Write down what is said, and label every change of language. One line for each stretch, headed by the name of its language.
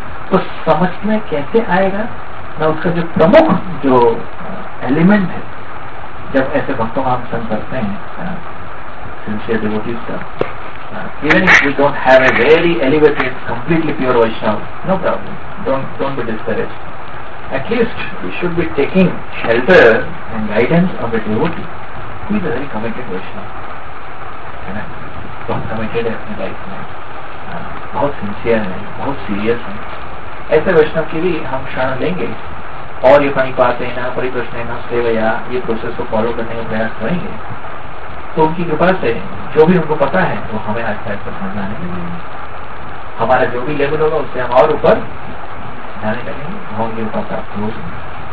Hindi: तो समझ में कैसे आएगा ना, उसका जो प्रमुख जो एलिमेंट है, जब ऐसे भक्तों का हम संग करते हैं,
English: sincere devotees
Hindi: का,
English: even if we don't have a very elevated, completely pure Vaishnava, no problem, don't be discouraged. At least we should be taking shelter and guidance of a devotee who is a very committed Vaishnava,
Hindi: बहुत committed है अपने life में, बहुत sincere है, बहुत serious है। ऐसे वैष्णव की भी हम शरण लेंगे, और ये पानी पाते हैं ना, परिप्रश्न है ना, सेवया, ये प्रोसेस को फॉलो करने का प्रयास करेंगे, तो उनकी कृपा से जो भी उनको पता है वो हमें आज तक समझ में आने लगेंगे, हमारा जो भी लेवल होगा उससे हम और ऊपर जाने लगेंगे, हम प्राप्त हो सकेंगे।